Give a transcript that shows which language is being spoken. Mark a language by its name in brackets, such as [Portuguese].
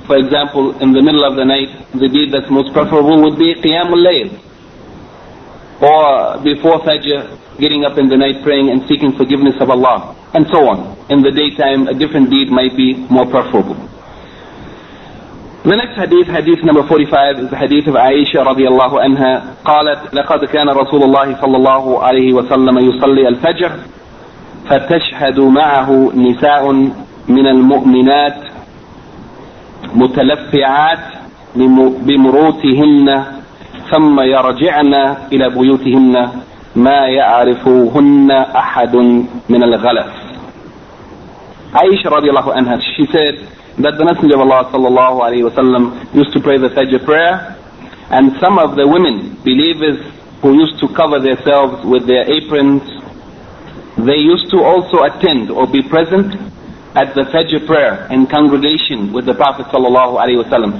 [English] For example, in the middle of the night, the deed that's most preferable would be Qiyamul Layl, or before Fajr, getting up in the night, praying and seeking forgiveness of Allah, and so on. In the daytime, a different deed might be more preferable. The next hadith, hadith number 45, is the hadith of Aisha radiallahu anha. [Arabic] قالت لقد كان رسول الله صلى الله عليه وسلم يصلي الفجر فتشهد معه نساء من المؤمنات متلفعات بمروتهن ثم يرجعن إلى بيوتهن ما يعرفهن أحد من الغلف. [English] Aisha radiallahu anha, she said that the Messenger of Allah sallallahu alayhi wa sallam used to pray the Fajr prayer, and some of the women believers who used to cover themselves with their aprons, they used to also attend or be present at the Fajr prayer in congregation with the Prophet sallallahu alayhi wa sallam.